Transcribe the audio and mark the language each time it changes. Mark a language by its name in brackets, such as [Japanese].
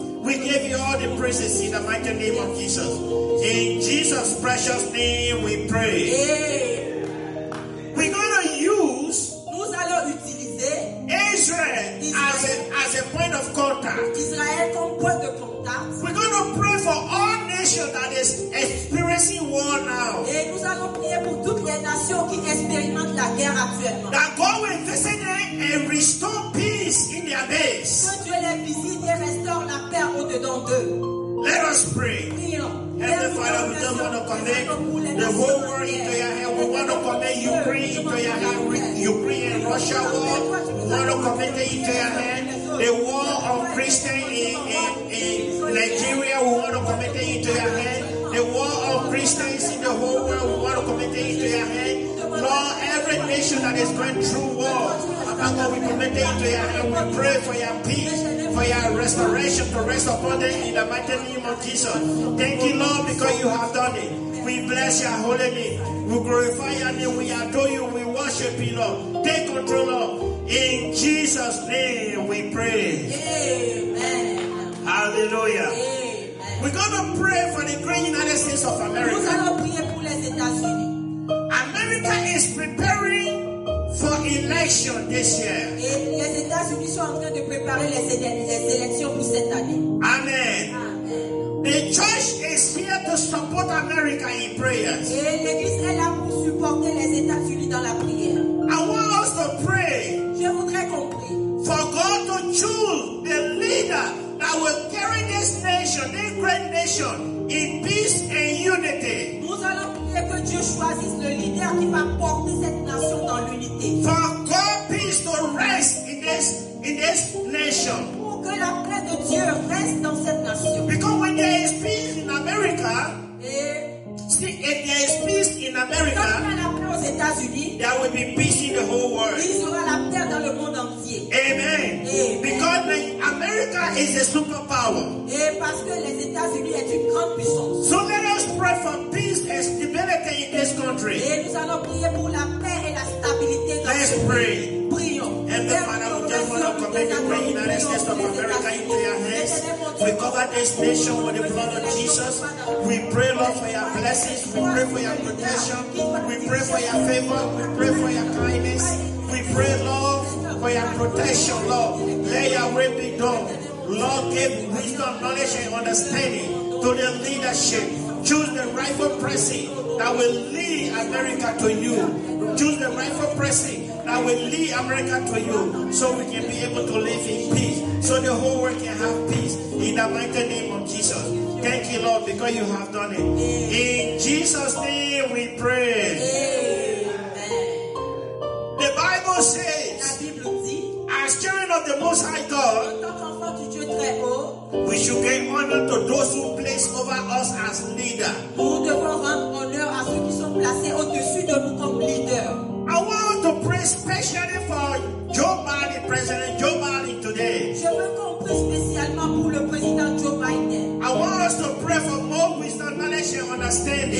[English] We give you all the praises in the mighty name of Jesus. In Jesus' precious name we pray. We're going to use Israel as a point of contact. [French] Israel comme point de contact. [English] We're going to pray for all nations that is experiencing war now. [French] Et nous allons prier pour toutes les nations qui expérimentent la guerre actuellement. [English] That God will visit them and restore peace in their midst. [French] Que Dieu les visite et restaure la paix au-dedans d'eux. [English] Let us pray. Heavenly Father, we just want to connect the whole world into your hand. We want to connect Ukraine into your hand. Ukraine and Russia war. We want to connect it into your hand. The war of Christians in Nigeria, we want to connect it into your hand. The war of Christians in the whole world, we want to connect it into your hand. Lord, every nation that is going through war, and God, we connect it into your hand. We pray for your peace. For your restoration to rest upon them in the mighty name of Jesus. Thank you, Lord, because you have done it. We bless your holy name. We glorify your name. We adore you. We worship you, Lord. Take control, Lord. In Jesus' name we pray. Amen. Hallelujah. Amen. We're going to pray for the great United States of America. America is preparing for election this year. [French] Et les États-Unis sont en train de préparer les élections pour cette année. [English] Amen. Amen. The church is here to support America in prayers. [French] Et l'Église est là pour supporter les États-Unis dans la prière. [English] I want us to pray. [French] Je voudrais qu'on prie. [English] For God to choose the leader that will carry this nation, this great nation, in peace and unity. [French] Nous allons prier que Dieu choisisse le leader qui va porter cette nation dans l'unité. [English] For God peace to rest in this nation. [French] Pour que la paix de Dieu reste dans cette nation. [English] Because when there is peace in America, [French] et [English] if there is peace in America, [French] la paix aux États-Unis, [English] there will be peace in the whole world. [French] Il sera la paix dans le monde entier. [English] Amen. Because America is a superpower. [French] Et parce que les États-Unis est une grande puissance. [English] So let us pray for peace and stability in this country. [French] Et nous allons prier pour la paix et la stabilité dans [English] let's [French] ce [English] pray. [French] Pays. [English] And the Father, we just want to commit the great United States of America into your hands. We cover this nation with the blood of Jesus. We pray, Lord, for your blessings. We pray for your protection. We pray for your favor. We pray for your kindness. We pray, Lord, for your protection, Lord. Let your will be done. Lord, give wisdom, knowledge, and understanding to the leadership. Choose the rightful president that will lead America to you. Choose the rightful president. I will lead America to you so we can be able to live in peace, so the whole world can have peace in the mighty name of Jesus. Thank you, Lord, because you have done it. In Jesus' name we pray. Amen. says, [French] la Bible dit, [English] as children of the Most High God, we should give honor to those who place over us as leader. [French] Nous devons rendre honneur à ceux qui sont placés au-dessus de nous comme leader. [English] I want to pray specially for Joe Biden, President Joe Biden today. [French] Je veux qu'on prie spécialement pour le président Joe Biden. [English] I want us to pray for more wisdom, knowledge, and understanding.